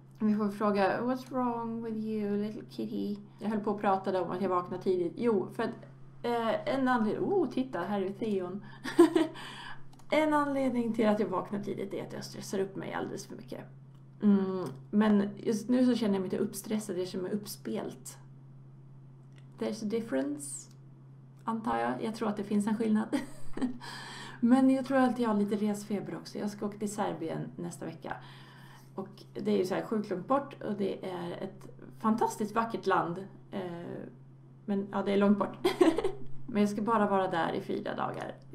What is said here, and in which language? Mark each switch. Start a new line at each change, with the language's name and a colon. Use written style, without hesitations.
Swedish: Vi får fråga,
English: what's wrong with you, little kitty?
Swedish: Jag höll på att prata om att jag vaknade tidigt. Jo, för att en anledning... Oh, titta, här är Theon. En anledning till att jag vaknar tidigt är att jag stressar upp mig alldeles för mycket. Men just nu så känner jag mig inte uppstressad, det känner mig uppspelt.
English: There's a difference,
Swedish: antar jag. Jag tror att det finns en skillnad. Men jag tror att jag har lite resfeber också. Jag ska åka till Serbien nästa vecka. Och det är ju så här sjukt långt bort och det är ett fantastiskt vackert land. Men ja, det är långt bort. Men jag ska bara vara där i 4 dagar.